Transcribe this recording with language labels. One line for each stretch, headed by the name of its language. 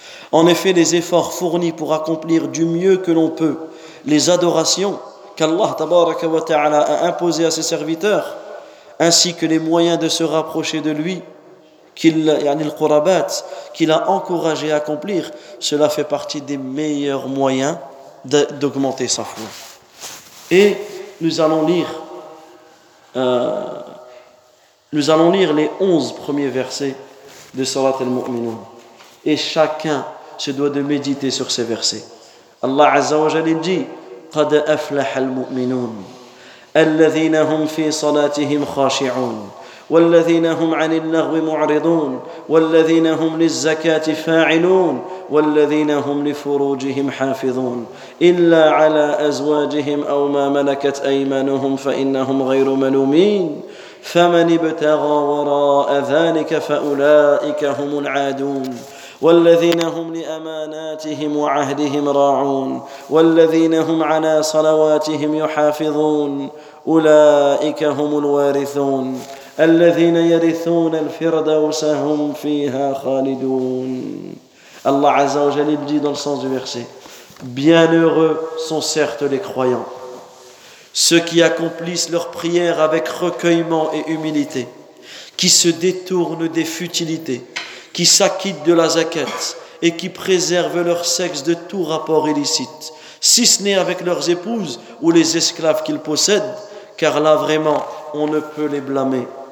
French: En effet, les efforts fournis pour accomplir du mieux que l'on peut les adorations qu'Allah tabaraka wa ta'ala a imposées à ses serviteurs, ainsi que les moyens de se rapprocher de lui, qu'il a encouragé à accomplir, cela fait partie des meilleurs moyens d'augmenter sa foi. Et nous allons lire les 11 premiers versets de Surat al-Mu'minun. Et chacun se doit de méditer sur ces versets. Allah Azza wa Jalla dit:
Arabic: قد أفلح المؤمنون الذين هم في صلاتهم خاشعون والذين هم عن اللغو معرضون والذين هم للزكاة فاعلون والذين هم لفروجهم حافظون إلا على أزواجهم أو ما ملكت أيمانهم فإنهم غير ملومين فمن ابتغى وراء ذلك فأولئك هم العادون والذين هم لأماناتهم وعهدهم راعون والذين هم على صلواتهم يحافظون أولئك هم الوارثون الذين يرثون الفردوس هم فيها خالدون.
French: الله عز وجل dit dans le sens du verset: bienheureux sont certes les croyants, ceux qui accomplissent leurs prières avec recueillement et humilité, qui se détournent des futilités, qui s'acquittent de la zakat et qui préservent leur sexe de tout rapport illicite, si ce n'est avec leurs épouses ou les esclaves qu'ils possèdent, car là vraiment on ne peut les blâmer.